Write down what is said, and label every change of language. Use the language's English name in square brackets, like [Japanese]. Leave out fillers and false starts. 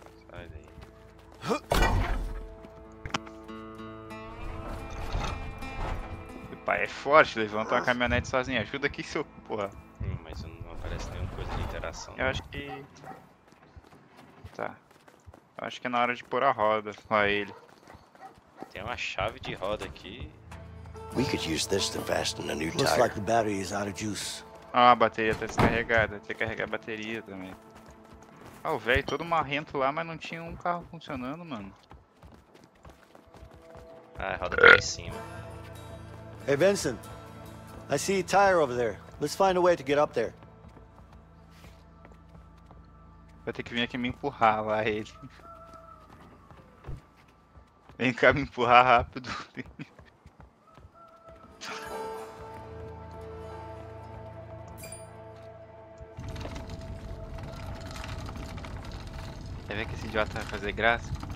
[Portuguese] Sai daí. Pai, é forte levantar uma caminhonete sozinho. Ajuda aqui, seu porra. Mas não aparece nenhuma coisa de interação. Eu acho que... Tá. Eu acho que é na hora de pôr a roda. Olha ele. Tem uma chave de roda aqui. [English] We could use this to fasten a new tire. Looks like the battery is out of juice. [Portuguese] Ah, a bateria tá descarregada, tem que carregar a bateria também. Ah, o velho todo marrento lá, mas não tinha um carro funcionando, mano. Ah, roda pra cima. [English] Hey Vincent, I see a tire over there. Let's find a way to get up there. [Portuguese] Vai ter que vir aqui me empurrar lá ele. Vem cá me empurrar rápido. Quer ver que esse idiota vai fazer graça?